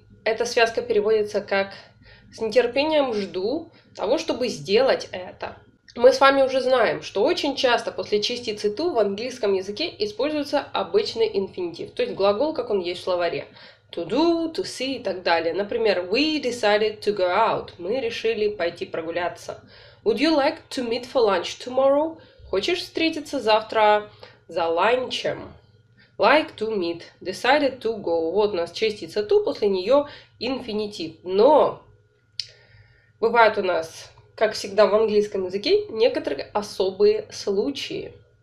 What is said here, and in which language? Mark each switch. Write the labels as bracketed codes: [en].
[ru] Эта связка переводится как с нетерпением жду того, чтобы сделать это. Мы с вами уже знаем, что очень часто после частицы to в английском языке используется обычный инфинитив, то есть глагол, как он есть в словаре. [en] To do, to see [ru] и так далее. Например, [en] we decided to go out. [ru] Мы решили пойти прогуляться. [en] Would you like to meet for lunch tomorrow? [ru] Хочешь встретиться завтра за ланчем? [en] Like to meet, decided to go. [ru] Вот у нас частица to, после нее инфинитив. Но бывают у нас, как всегда в английском языке, некоторые особые случаи.